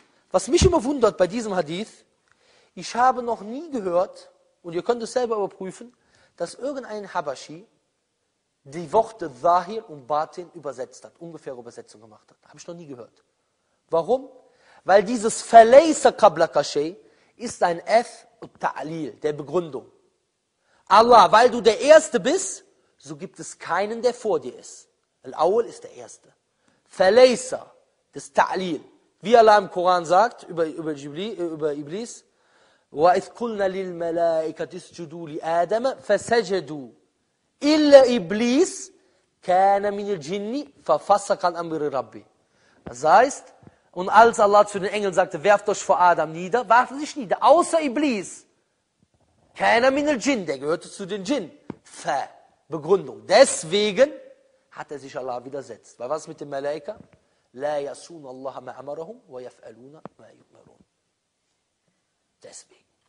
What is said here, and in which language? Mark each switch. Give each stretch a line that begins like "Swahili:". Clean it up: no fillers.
German: Was mich immer wundert bei diesem Hadith, ich habe noch nie gehört, und ihr könnt es selber überprüfen, dass irgendein Habashi die Worte Zahir und Batin übersetzt hat, ungefähre Übersetzung gemacht hat. Habe ich noch nie gehört. Warum? Weil dieses Falaysa Qabla Kashay ist ein F und Ta'lil, der Begründung. Allah, weil du der Erste bist, so gibt es keinen, der vor dir ist. Al-Awwal ist der Erste. Falaysa, das Ta'lil. Wie Allah im Koran sagt, über Iblis,
Arabic: وَإِذْ قُلْنَا لِلْمَلَائِكَةِ اسْجُدُوا لِآدَمَ فَسَجَدُوا إِلَّا إِبْلِيسَ كَانَ مِنَ الْجِنِّ فَفَسَقَ عَنْ أَمْرِ رَبِّهِ.
German: Das heißt, und als Allah zu den Engeln sagte, werft euch vor Adam nieder, warfen sich nieder, außer Iblis.
Arabic: كَانَ مِنَ الْجِنِّ,
German: der gehörte zu den Jinn. Begründung. Deswegen hat er sich Allah widersetzt. Weil was mit dem Malaika?
Arabic: لَا يَسُونَ اللَّهَ مَا أَمَرَهُمْ وَيَفْعَلُونَ مَا يُؤْمَرُونَ.
German: Deswegen.